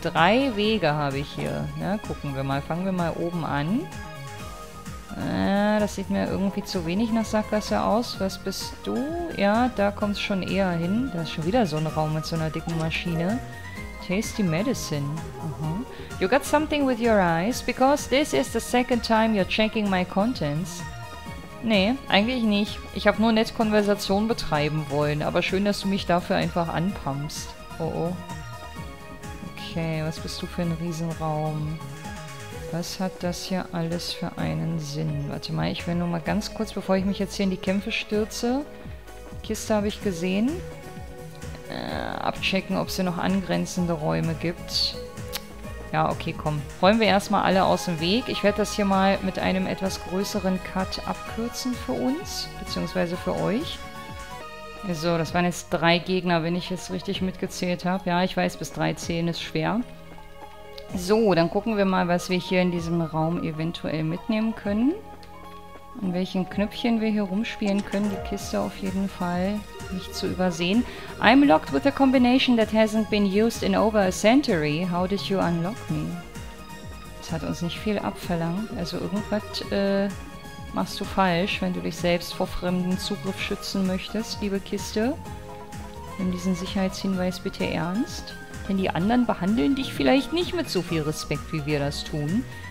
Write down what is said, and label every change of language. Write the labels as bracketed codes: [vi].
[de] 3 Wege habe ich hier. Ja, gucken wir mal. Fangen wir mal oben an. Das sieht mir irgendwie zu wenig nach Sackgasse aus. Was bist du? Ja, da kommt es schon eher hin. Da ist schon wieder so ein Raum mit so einer dicken Maschine. [en] Tasty medicine. Uh-huh. You got something with your eyes? Because this is the second time you're checking my contents. [de] Nee, eigentlich nicht. Ich habe nur nett Konversation betreiben wollen. Aber schön, dass du mich dafür einfach anpumpst. Oh, oh. Okay, was bist du für ein Riesenraum? Was hat das hier alles für einen Sinn? Warte mal, ich will nur mal ganz kurz, bevor ich mich jetzt hier in die Kämpfe stürze. Kiste habe ich gesehen. Abchecken, ob es hier noch angrenzende Räume gibt. Ja, okay, komm. Räumen wir erstmal alle aus dem Weg. Ich werde das hier mal mit einem etwas größeren Cut abkürzen für uns, beziehungsweise für euch. So, das waren jetzt 3 Gegner, wenn ich es richtig mitgezählt habe. Ja, ich weiß, bis 3 zählen ist schwer. So, dann gucken wir mal, was wir hier in diesem Raum eventuell mitnehmen können. An welchen Knöpfchen wir hier rumspielen können. Die Kiste auf jeden Fall nicht zu übersehen. [en] I'm locked with a combination that hasn't been used in over a century. How did you unlock me? [de] Das hat uns nicht viel abverlangt. Also irgendwas machst du falsch, wenn du dich selbst vor fremdem Zugriff schützen möchtest, liebe Kiste. Nimm diesen Sicherheitshinweis bitte ernst. Denn die anderen behandeln dich vielleicht nicht mit so viel Respekt, wie wir das tun.